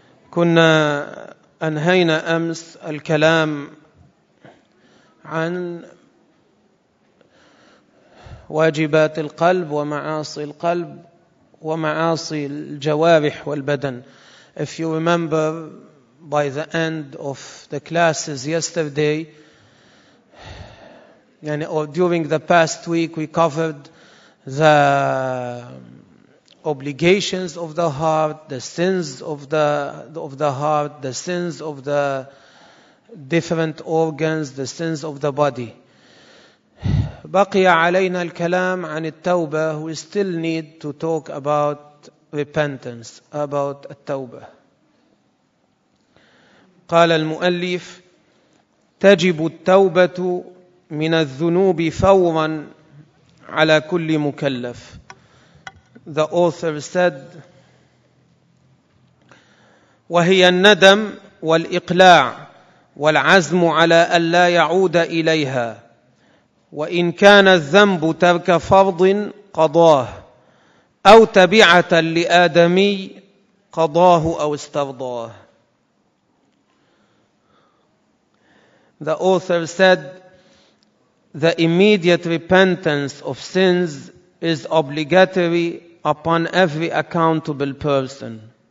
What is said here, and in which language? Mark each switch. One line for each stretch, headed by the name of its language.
Arabic: كنا أنهينا أمس الكلام عن واجبات القلب ومعاصي القلب ومعاصي الجوارح والبدن.
English: If you remember, by the end of the classes yesterday, or during the past week, we covered the obligations of the heart, the sins of the heart, the sins of the different organs, the sins of the body.
Arabic: بقي علينا الكلام عن التوبة.
English: We still need to talk about repentance, about التوبة.
Arabic: قال المؤلف: تجب التوبة من الذنوب فورا على كل مكلف.
English: The author said,
Arabic: وهي الندم والإقلاع والعزم على ألا يعود إليها، وإن كان الذنب ترك فرض قضاه أو تبعة لآدمي قضاه أو استرضاه.
English: The author said, the immediate repentance of sins is obligatory upon every accountable person.